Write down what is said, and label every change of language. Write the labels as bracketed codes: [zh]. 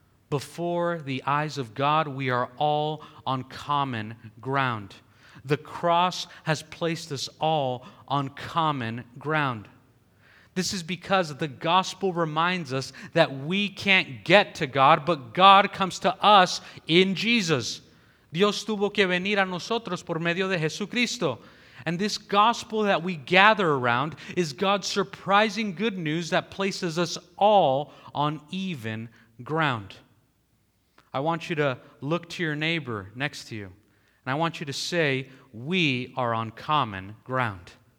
[en] Before the eyes of God, we are all on common ground. The cross has placed us all on common ground. This is because the gospel reminds us that we can't get to God, but God comes to us in Jesus. [es] Dios tuvo que venir a nosotros por medio de Jesucristo. [en] And this gospel that we gather around is God's surprising good news that places us all on even ground. I want you to look to your neighbor next to you, and I want you to say, we are on common ground.